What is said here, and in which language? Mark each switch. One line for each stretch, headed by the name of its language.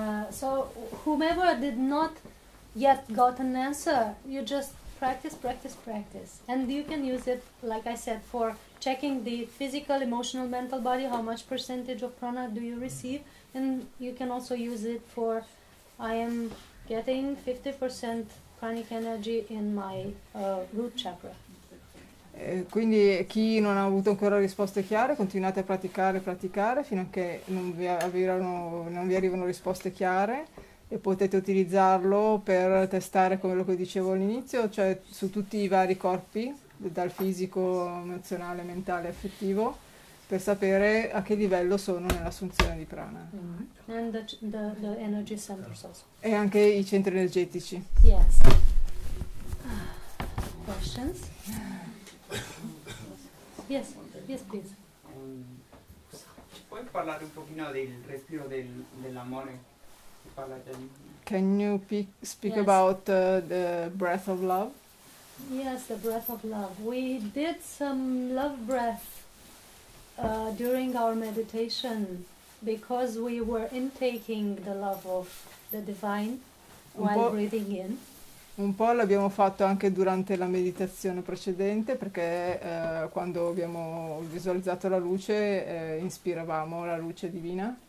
English: So whomever did not yet got an answer, you just practice, and you can use it, like I said, for checking the physical, emotional, mental body, how much percentage of prana do you receive, and you can also use it for I am getting 50% pranic energy in my root chakra.
Italian: Quindi chi non ha avuto ancora risposte chiare, continuate a praticare fino a che non vi arrivano risposte chiare, e potete utilizzarlo per testare, come quello che dicevo all'inizio, cioè su tutti i vari corpi, dal fisico, emozionale, mentale, affettivo, per sapere a che livello sono nell'assunzione di prana.
English: Mm-hmm. And the energy centers also.
Italian: E anche i centri energetici.
English: Yes. Questions? Yes, please.
Italian: Ci puoi parlare un pochino del respiro dell'amore?
English: Can you speak yes. about the breath of love? Yes, the breath of love. We did some love breath during our meditation, because we were intaking the love of the divine while breathing in.
Italian: Un po' l'abbiamo fatto anche durante la meditazione precedente, perché quando abbiamo visualizzato la luce, inspiravamo la luce divina.